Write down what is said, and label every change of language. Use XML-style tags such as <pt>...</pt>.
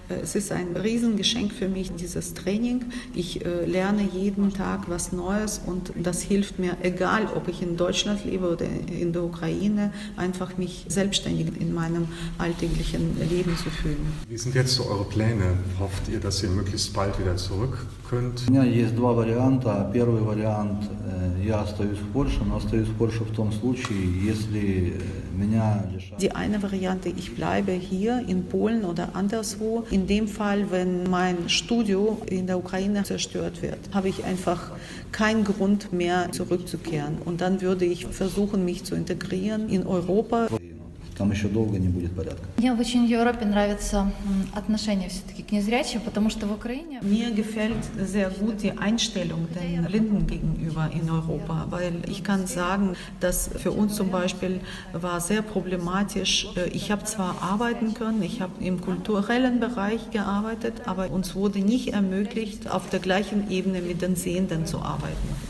<de>Es ist ein Riesengeschenk für mich, dieses Training. Ich lerne jeden Tag was Neues und das hilft mir, egal ob ich in Deutschland lebe oder in der Ukraine, einfach mich selbstständig in meinem alltäglichen Leben zu fühlen. Wie sind jetzt so eure Pläne? Hofft ihr, dass ihr möglichst bald wieder zurück könnt?</de> <ru>У меня есть два варианта. Первый вариант, я остаюсь в Польше, но остаюсь в Польше в том случае,</ru> <de>Die eine Variante, ich bleibe hier in Polen oder anderswo. In dem Fall, wenn mein Studio in der Ukraine zerstört wird, habe ich einfach keinen Grund mehr zurückzukehren. Und dann würde ich versuchen, mich zu integrieren in Europa.</de> <ru>Там еще долго не будет порядка. Мне очень в Европе нравится отношение все-таки к незрячим, потому что в Украине...</ru> <de>Мне gefällt sehr gut die Einstellung den Blinden gegenüber in Europa, weil ich kann sagen, dass für uns zum Beispiel war sehr problematisch. Ich habe zwar arbeiten können, ich habe im kulturellen Bereich gearbeitet, aber uns wurde nicht ermöglicht, auf der gleichen Ebene mit den Sehenden zu arbeiten.</de>